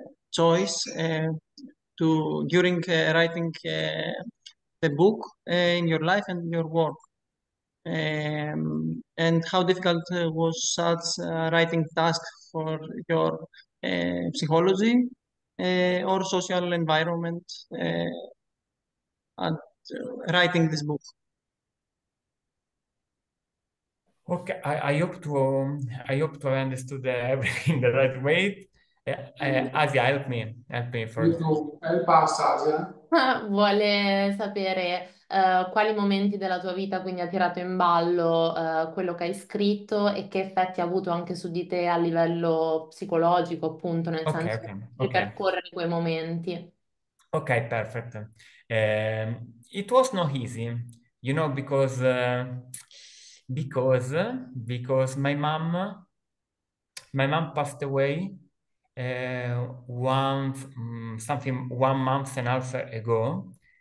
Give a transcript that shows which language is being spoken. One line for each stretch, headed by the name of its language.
English: choice to during writing the book in your life and your work, and how difficult was such writing task for your psychology or social environment at writing this book? Okay, I hope to have understood everything the right way. Asia, help me first.
Italian: Vuole sapere quali momenti della tua vita quindi ha tirato in ballo quello che hai scritto e che effetti ha avuto anche su di te a livello psicologico, appunto, nel senso di percorrere quei momenti.
English: Okay, perfect. It was not easy, because my mom passed away one month and a half ago.